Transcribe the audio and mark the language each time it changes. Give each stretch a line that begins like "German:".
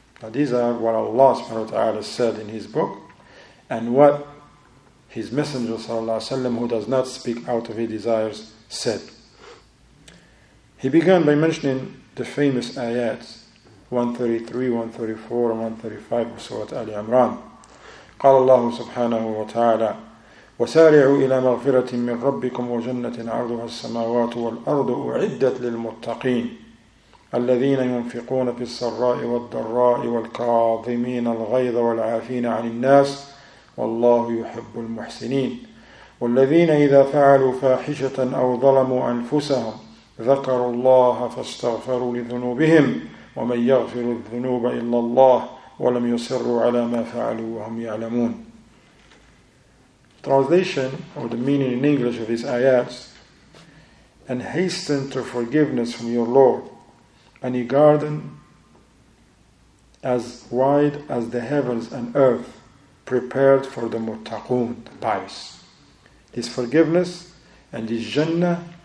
English: These are what Allah subhanahu wa ta'ala said in His book, and what His Messenger sallallahu alaihi wasallam, who does not speak out of his desires, said. He began by mentioning the famous ayats 133, 134, and 135 of Surah Ali Imran.
Arabic: قال الله سبحانه وتعالى وسارعوا إلى مغفرة من ربكم وجنة عرضها السماوات والأرض أعدت للمتقين الذين ينفقون في السراء والضراء والكاظمين الغيظ والعافين عن الناس والله يحب المحسنين والذين إذا فعلوا فاحشة أو ظلموا أنفسهم ذكروا الله فاستغفروا لذنوبهم ومن يغفر الذنوب إلا الله ولم يصروا على ما فعلوا وهم يعلمون.
English: Translation or the meaning in English of these ayats: and hasten to forgiveness from your Lord, and a garden as wide as the heavens and earth, prepared for the muttaqun, the pious. This forgiveness and this Jannah